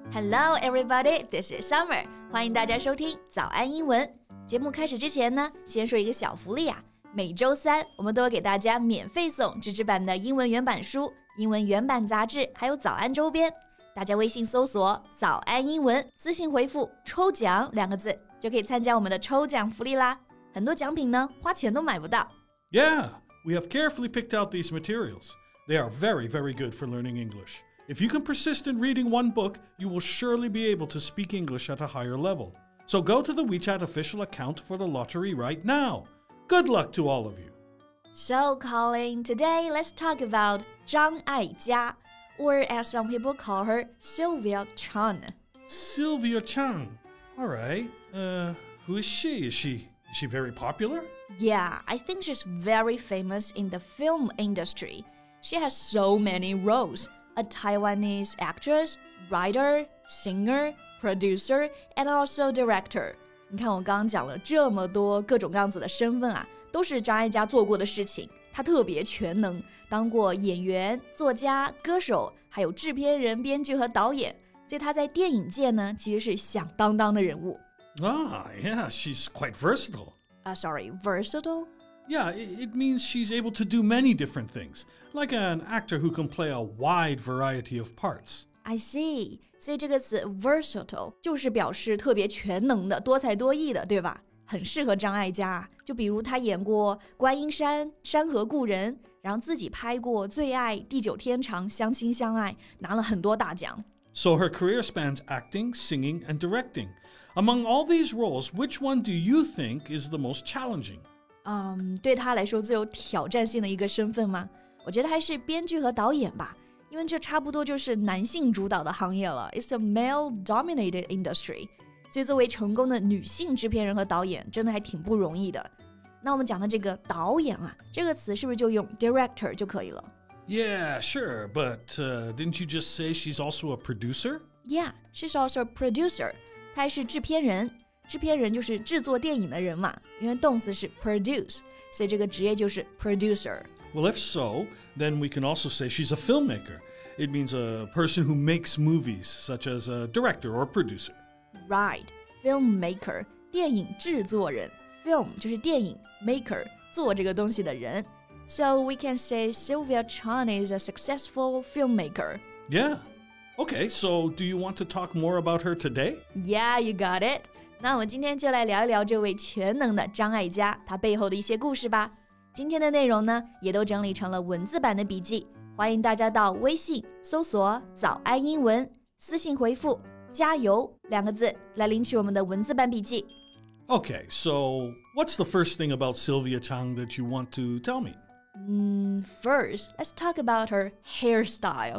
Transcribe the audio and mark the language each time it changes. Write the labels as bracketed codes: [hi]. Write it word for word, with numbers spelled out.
[en] Hello everybody, this is Summer. [zh] 欢迎大家收听早安英文。节目开始之前呢，先说一个小福利啊。每周三我们都会给大家免费送纸质版的英文原版书、英文原版杂志，还有早安周边。大家微信搜索早安英文，私信回复抽奖两个字，就可以参加我们的抽奖福利啦。很多奖品呢，花钱都买不到。 [en] Yeah, we have carefully picked out these materials. They are very, very good for learning English. If you can persist in reading one book, you will surely be able to speak English at a higher level. So go to the WeChat official account for the lottery right now. Good luck to all of you. So, Colin, today let's talk about Zhang Aijia, or as some people call her, Sylvia Chan. Sylvia Chan. All right. Uh, who is she? Is she, is she very popular? Yeah, I think she's very famous in the film industry. She has so many roles. A Taiwanese actress, writer, singer, producer, and also director. [zh] 你看我刚刚讲了这么多各种各样子的身份啊，都是张艾嘉做过的事情，她特别全能，当过演员、作家、歌手，还有制片人、编剧和导演，所以她在电影界呢其实是响当当的人物。 [en] Ah, yeah, she's quite versatile. Uh, sorry, versatile? Yeah, it means she's able to do many different things, like an actor who can play a wide variety of parts. I see. [zh] 所以这个词 versatile 就是表示特别全能的、多才多艺的，对吧？很适合张艾嘉啊。就比如她演过《观音山》《山河故人》，然后自己拍过《最爱》《地久天长》《相亲相爱》，拿了很多大奖。 [en] So her career spans acting, singing, and directing. Among all these roles, which one do you think is the most challenging? [zh] 嗯，对她来说最有挑战性的一个身份吗？我觉得还是编剧和导演吧。因为这差不多就是男性主导的行业了 [en] It's a male-dominated industry [zh] 所以作为成功的女性制片人和导演真的还挺不容易的那我们讲的这个导演啊这个词是不是就用 director 就可以了 [en] Yeah, sure, but、uh, didn't you just say she's also a producer? Yeah, she's also a producer [zh] 她还是制片人制片人就是制作电影的人嘛因为动词是 produce 所以这个职业就是 producer [en] Well, if so, then we can also say she's a filmmaker. It means a person who makes movies, such as a director or producer. Right, filmmaker, [zh] 电影制作人 [en] Film [zh] 就是电影 [en] maker, [zh] 做这个东西的人 [en] So we can say Sylvia Chan is a successful filmmaker. Yeah. Okay, so do you want to talk more about her today? Yeah, you got it. [zh] 那我们今天就来聊一聊这位全能的张艾嘉，她背后的一些故事吧。今天的内容呢，也都整理成了文字版的笔记，欢迎大家到微信搜索“早安英文”，私信回复“加油”两个字来领取我们的文字版笔记。 [en] Okay, so what's the first thing about Sylvia Chan that you want to tell me? Mm, first, let's talk about her hairstyle.